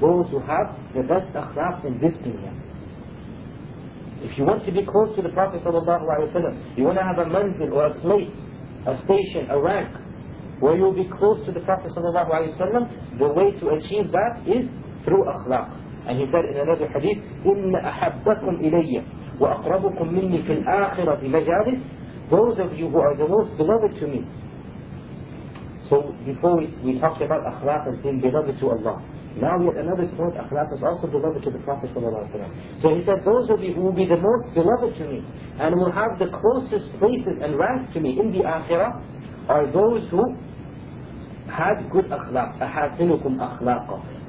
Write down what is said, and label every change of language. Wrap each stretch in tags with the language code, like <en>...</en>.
<en>Those who have the best akhlaq in this dunya. If you want to be close to the Prophet sallallahu alayhi wa sallam, you want to have a manzil or a place, a station, a rank, where you will be close to the Prophet sallallahu alayhi wa sallam, the way to achieve that is through akhlaq. And he said in another hadith,</en> <ar>إِنَّ أَحَبَّكُمْ إِلَيَّ وَأَقْرَبُكُمْ مِنِّي فِي الْآخِرَةِ مَجَالِسِ.</ar> <en>Those of you who are the most beloved to me. So before we talked about akhlaq as being beloved to Allah. Now yet another point, akhlaq is also beloved to the Prophet sallallahu alayhi wa sallam. So he said, those of you who will be the most beloved to me and will have the closest places and ranks to me in the akhirah are those who had good akhlaq, ahasinukum akhlaqa.</en>